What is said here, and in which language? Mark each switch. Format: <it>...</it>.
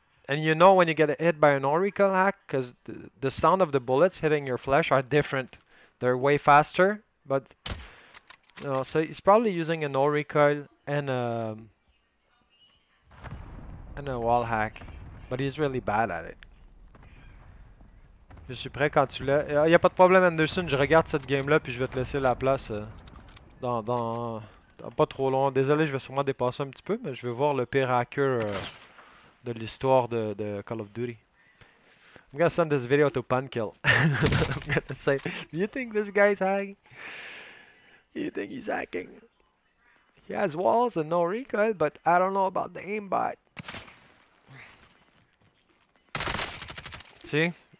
<en>And you know when you get hit by a no recoil hack, because the sound of the bullets hitting your flesh are different. They're way faster, but... No, so he's probably using a no recoil and a wall hack, but he's really bad at it.</en> <fr>Je suis prêt quand tu l'as. Y a pas de problème, Anderson. Je regarde cette game là puis je vais te laisser la place dans pas trop long. Désolé, je vais sûrement dépasser un petit peu, mais je vais voir le pire hacker de l'histoire de Call of Duty.</fr> <en>I'm gonna send this video to Pankill. I'm gonna say, do you think this guy's hacking? You think he's hacking? He has walls and no recoil, but I don't know about the aimbot. See?</en>